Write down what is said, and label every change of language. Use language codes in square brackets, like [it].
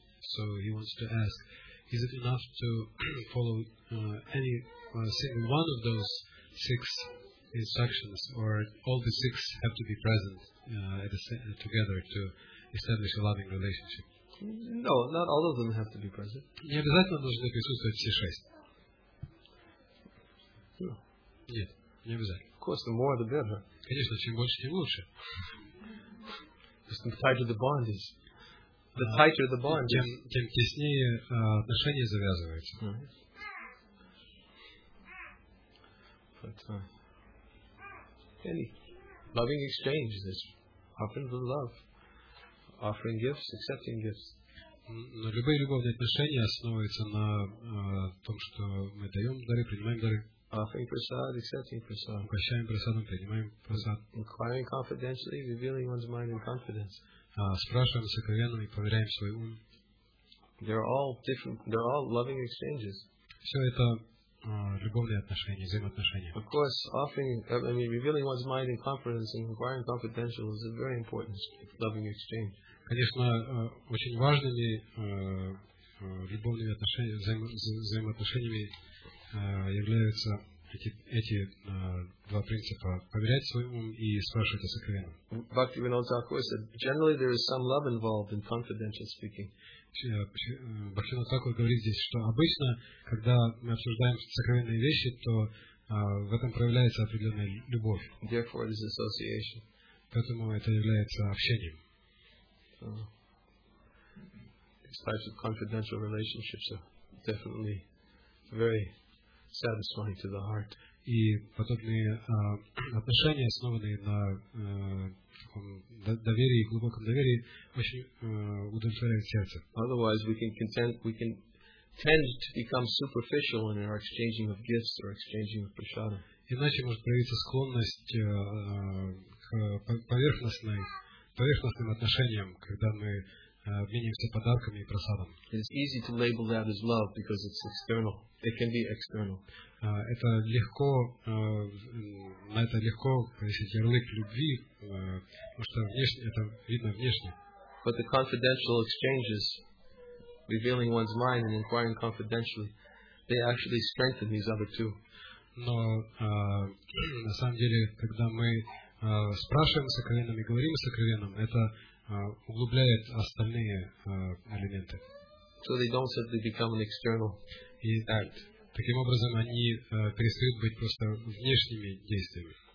[en] So he wants to ask, is it enough to follow any single one of those six instructions, or all the six have to be present together to establish a loving relationship? No, not all of them have to be present. [ru] Не обязательно нужно присутствовать все шесть. Нет, не обязательно. [en] Of course, the more the better. [ru] Конечно, чем больше, тем лучше. [en] The tighter the bond is. The tighter the bond. [ru] Тем теснее отношения завязываются. [en] But any loving exchange is offering the love, offering gifts, accepting gifts. [ru] Но любые любовные отношения основываются на том, что мы даем дары, принимаем дары. [en] Offering prasad, accepting prasad. [ru] Угощаем прасадом, принимаем прасад. [en] Inquiring confidentially, revealing one's mind in confidence. [ru] Спрашиваем сокровенно и проверяем свой ум. [en] They're all different. They're all loving exchanges. [ru] Все это любовные отношения, взаимоотношения. [en] Of course, offering, I mean, revealing one's mind in confidence and inquiring confidentially is a very important loving exchange. [ru] Конечно, очень важными любовными отношениями, взаимоотношениями являются эти два принципа: поверять своему уму и спрашивать о сокровенном. [en] Bhakti Vinod Thakur said, generally there is some love involved in confidential speaking. [ru] Бхакти Винод Тхакур говорит здесь, что обычно, когда мы обсуждаем сокровенные вещи, то в этом проявляется определенная любовь. [en] Therefore it is association. [ru] Поэтому это является общением. [en] These types of confidential relationships are definitely very satisfying to the heart. [ru] И подобные отношения, основанные на доверии, глубоком доверии, очень удовлетворяют сердце. [en] Otherwise, we can tend to become superficial in our exchanging of gifts or exchanging of prasadam. [ru] Иначе может проявиться склонность к поверхностной. Поверхностным отношениям, когда мы обмениваемся подарками и просадом. [en] It's easy to label that as love because it's external. It can be external. [ru] Это легко, на это легко повесить ярлык любви, потому что внешне это видно внешне. [en] But the confidential exchanges, revealing one's mind and inquiring confidentially, they actually strengthen these other two. [ru] Но на самом деле, когда мы спрашиваем сокровенным и говорим сокровенным, это углубляет остальные элементы. [en] So they don't simply become an external act. [ru] Таким образом, они перестают быть просто внешними действиями.